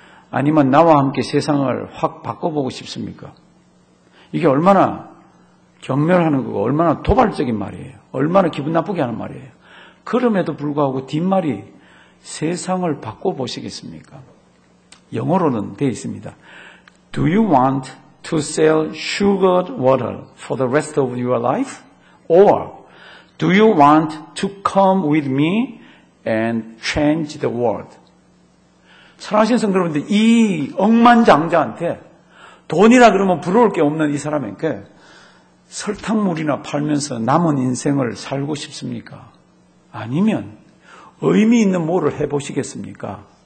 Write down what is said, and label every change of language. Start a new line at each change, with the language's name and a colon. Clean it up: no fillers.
Korean: 아니면 나와 함께 세상을 확 바꿔보고 싶습니까? 이게 얼마나 경멸하는 거고 얼마나 도발적인 말이에요. 얼마나 기분 나쁘게 하는 말이에요. 그럼에도 불구하고 뒷말이 세상을 바꿔보시겠습니까? 영어로는 되어 있습니다.
English: Do you want to sell sugared water for the rest of your life? Or do you want to come with me and change the world?
Korean: 사랑하시는 성도분들, 이 억만장자한테 돈이라 그러면 부러울 게 없는 이 사람에게 설탕물이나 팔면서 남은 인생을 살고 싶습니까? 아니면 의미 있는 뭐를 해보시겠습니까?